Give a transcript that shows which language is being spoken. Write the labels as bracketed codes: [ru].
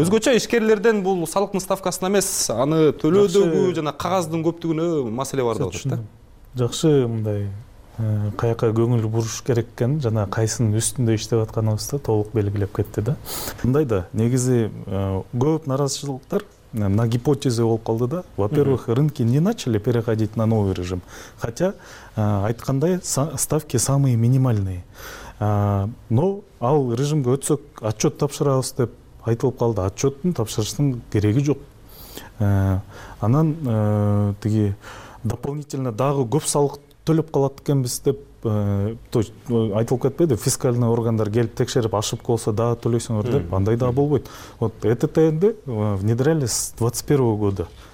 [ky] Өзгөчө ишкерлерден бул салыктын ставкасына эмес, аны төлөөдөгү жана кагаздын көптүгүнө маселе бар деп атат да. Жакшы, мындай каяка көңүл буруш керек экен жана кайсынын үстүндө иштеп атканыбызды толук белгилеп кетти да. Мындай да, негизи көп нааразычылыктар [ru] на гипотезе [ky] болуп калды да. [ru] Во-первых, рынки не начали переходить на новый режим. Хотя, айткандай, ставки самые минимальные. [ky] Но ал режимге өтсөк отчет тапшырабыз деп айтылып калды. Отчеттин тапшырыштын кереги жок. Анан тиги дополнительно дагы көп салык төлөп калат экенбиз деп [ru] то есть [ky] айтылып кетпейди, фискальный органдар келип текшерип ошибка болсо дагы төлөйсүңөр деп, андай дагы болбойт. [ru] Вот ЭТТ-нди внедряли с 21 года.